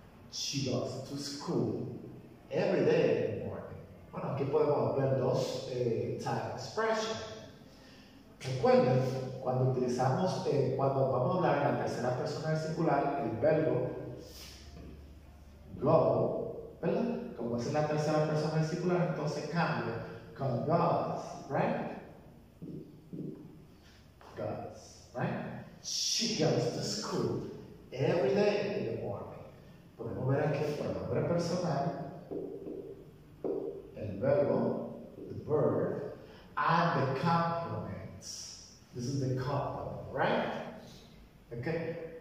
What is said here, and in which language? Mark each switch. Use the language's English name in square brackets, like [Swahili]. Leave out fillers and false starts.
[English] She goes to school every day in the morning. [Spanish] Bueno, aquí podemos ver dos [English] time expression. [Spanish] Recuerden, cuando utilizamos, cuando vamos a hablar en la tercera persona del singular, el verbo go, ¿verdad? Como es en la tercera persona del singular, entonces cambia con goes, [English] right? Goes, right? She goes to school every day in the morning. [Spanish] Podemos ver aquí el pronombre personal, el verbo, [English] the verb, and the complements. This is the couple, right? Okay.